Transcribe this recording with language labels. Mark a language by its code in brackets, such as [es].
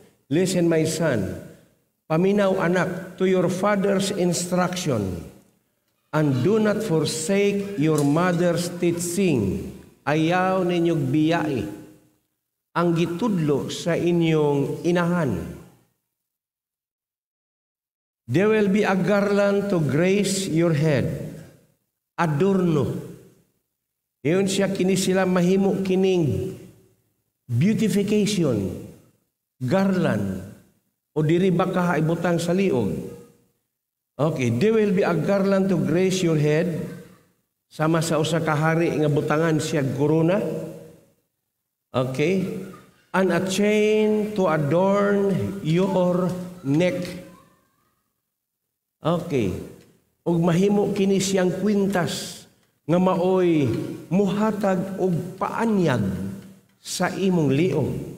[en] Listen, my son, [ceb] paminaw anak, [en] to your father's instruction, and do not forsake your mother's teaching. [ceb] Ayaw ninyong biyae ang gitudlo sa inyong inahan. [en] There will be a garland to grace your head. [ceb] Adorno. Iyon siya kini sila mahimo kining beautification. Garland. O diri baka haibutang sa liog. Okay. [en] There will be a garland to grace your head. [ceb] Sama sa usa ka hari nga butangan siya guruna. [en] Okay. And a chain to adorn your neck. Okay. [ceb] Og mahimo kini siyang kwintas nga maoy muhatag og paanyag sa imong liog.